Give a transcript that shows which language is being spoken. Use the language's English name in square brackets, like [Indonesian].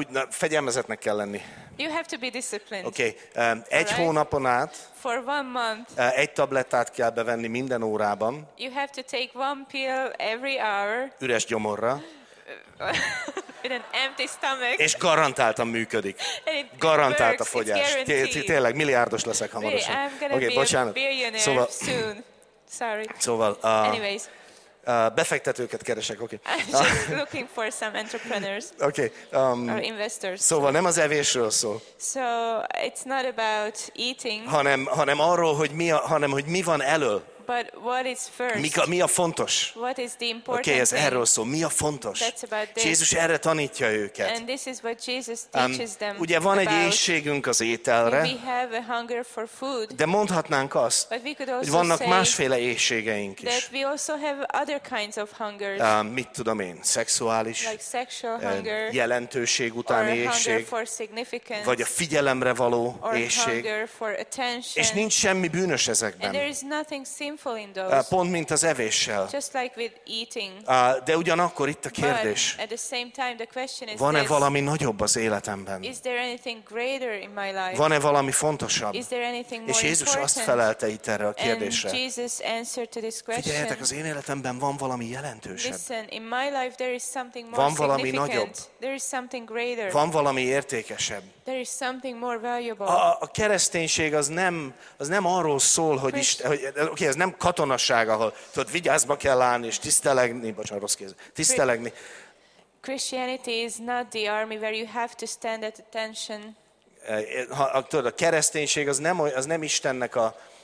[Hungarian] Fegyelmezetnek kell lenni. [English] You have to be disciplined. [Hungarian] Okay. Egy hónapon át. [English] For one month. [Hungarian] Egy tablettát kell bevenni minden órában. [English] You have to take one pill every hour. [Hungarian] Üres gyomorra. [English] With an empty stomach. [Hungarian] És garantáltan működik. Garantált a fogyás. Tényleg milliárdos leszek hamarosan. [English] Okay, [Hungarian] bocsánat. [English] Soon. Sorry. [Hungarian] Szóval. [English] Anyways. [Hungarian] Befektetőket keresek, oké. [English] Okay. I'm just looking for some entrepreneurs. Okay. Or investors. [Hungarian] Szóval nem az evésről szól. [English] So it's not about eating. [Hungarian] Hanem arról, hogy mi a, hanem hogy mi van elől. [English] But what is first? [Hungarian] Mi a fontos? [English] What is the important? [Hungarian] Okay, ez erről szól. Mi a fontos? [English] That's about this. [Hungarian] Jézus erre tanítja őket. [English] And this is what Jesus teaches them. [Hungarian] Ugye van egy éhségünk az ételre. [English] We have a hunger for food. [Hungarian] De mondhatnánk azt, hogy vannak másféle éhségeink is. [English] That we also have other kinds of hungers. [Hungarian] Mit tudom én? Szexuális. [English] Like sexual hunger. [Hungarian] Jelentőség utáni éhség. [English] Or hunger for significance. [Hungarian] Vagy a figyelemre való éhség. [English] Hunger for attention. [Hungarian] És nincs semmi bűnös ezekben. [English] And there is nothing sinful in those. [Hungarian] Pont mint az evéssel. [English] Just like with eating. [Hungarian] De ugyanakkor itt a kérdés. [English] But at the same time the question is, [Hungarian] van-e [English] this, [Hungarian] valami nagyobb az életemben? [English] Is there anything greater in my life? [Hungarian] Van-e valami fontosabb? [English] Is there anything more [Hungarian] És Jézus [English] important? [Hungarian] Azt felelte itt erre a kérdésre. [English] And Jesus answered to this question. [Hungarian] Figyeljetek, az én életemben van valami jelentősebb. [English] Listen, in my life there is something more [Hungarian] van valami [English] significant. [Hungarian] Nagyobb. [English] There is something greater. [Hungarian] Van valami értékesebb. [English] There is something more valuable. [Hungarian] A kereszténység az nem arról szól, hogy okay, ez nem katonasság, ahol tudod, vigyázba kell állni és tisztelegni, bocsánat, rossz kéz, tisztelegni. [English] Christianity is not the army where you have to stand at attention. [Hungarian] Tudod, a kereszténység az nem Istennek a